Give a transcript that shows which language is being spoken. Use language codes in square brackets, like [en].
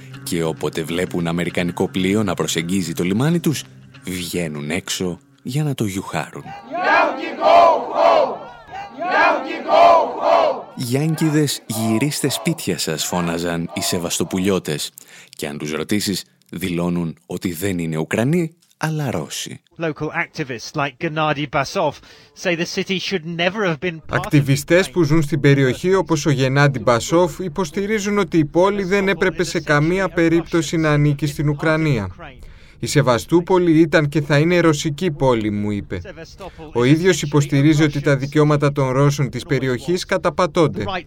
[el] Και όποτε βλέπουν αμερικανικό πλοίο να προσεγγίζει το λιμάνι τους, βγαίνουν έξω για να το γιουχάρουν. «Γιάνκηδες, γυρίστε σπίτια σας», φώναζαν οι Σεβαστοπουλιώτες. Και αν τους ρωτήσεις, δηλώνουν ότι δεν είναι Ουκρανοί, αλλά Ρώσοι. [en] Local activists like Gennady Basov say the city should never have been part of... [el] Ακτιβιστές που ζουν στην περιοχή, όπως ο Γεννάντι Μπασόφ, υποστηρίζουν ότι η πόλη δεν έπρεπε σε καμία περίπτωση να ανήκει στην Ουκρανία. «Η Σεβαστούπολη ήταν και θα είναι ρωσική πόλη», μου είπε. Ο ίδιος υποστηρίζει ότι τα δικαιώματα των Ρώσων της περιοχής καταπατώνται.